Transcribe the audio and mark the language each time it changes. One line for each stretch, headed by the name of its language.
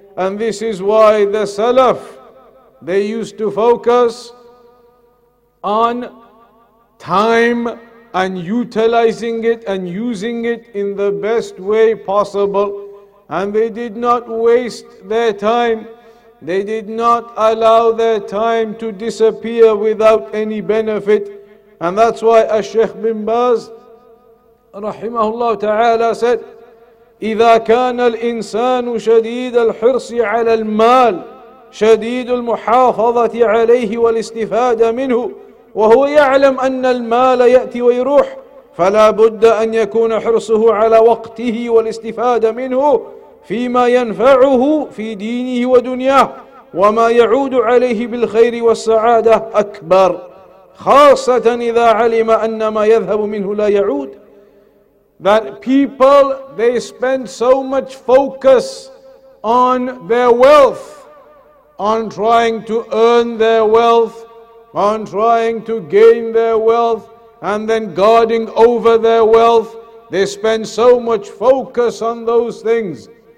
English: And this is why the Salaf, they used to focus on time and utilizing it and using it in the best way possible. And they did not waste their time. They did not allow their time to disappear without any benefit. And that's why Al-Sheikh bin Baz, rahimahullah ta'ala, said,
Arabic: إِذَا كَانَ الْإِنسَانُ شَدِيدَ الْحِرْصِ عَلَى الْمَالِ شديد المحافظة عليه والاستفادة منه وهو يعلم أن المال يأتي ويروح فلا بد أن يكون حرصه على وقته والاستفادة منه فيما ينفعه في دينه ودنياه وما يعود عليه بالخير والسعادة أكبر خاصة إذا علم أن ما يذهب منه لا يعود.
English: That people, they spend so much focus on their wealth, on trying to earn their wealth, on trying to gain their wealth, and then guarding over their wealth. They spend so much focus on those things.